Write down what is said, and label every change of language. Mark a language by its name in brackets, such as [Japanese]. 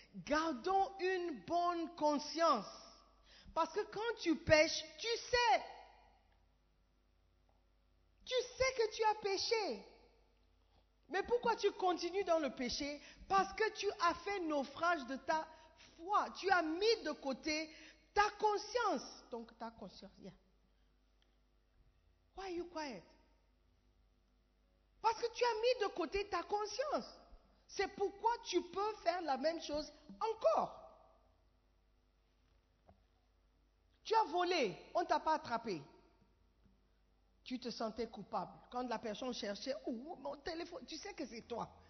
[French] Gardons une bonne conscience. Parce que quand tu pèches, tu sais. Tu sais que tu as péché. Mais pourquoi tu continues dans le péché? Parce que tu as fait naufrage de ta foi. Tu as mis de côté ta conscience. Donc ta conscience, [English] yeah. Why are you quiet? [French] Parce que tu as mis de côté ta conscience. C'est pourquoi tu peux faire la même chose encore. Tu as volé, on ne t'a pas attrapé. Tu te sentais coupable. Quand la personne cherchait, oh, mon téléphone, tu sais que c'est toi.